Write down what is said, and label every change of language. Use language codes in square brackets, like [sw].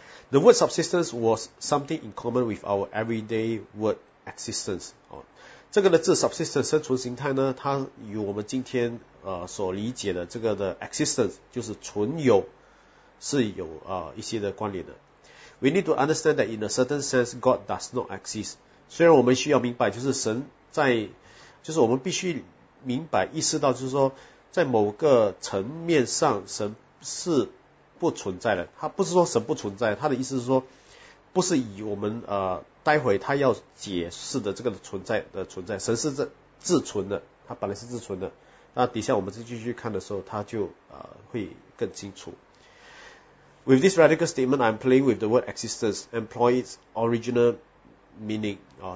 [en] The word subsistence was something in common with our everyday word existence 哦。 [zh] 这个的字 subsistence 生存形态呢，它与我们今天所理解的这个的 existence 就是存有是有一些的关联的。 [en] We need to understand that in a certain sense God does not exist。 [zh] 虽然我们需要明白，就是神在，就是我们必须明白意识到，就是说在某个层面上神是不存在的。他不是说神不存在，他的意思是说，不是以我们待会他要解释的这个存在的存在，神是自存的，他本来是自存的。那底下我们再继续看的时候，他就会更清楚。 [en] With this radical statement, I'm playing with the word existence, employ its original meaning 啊。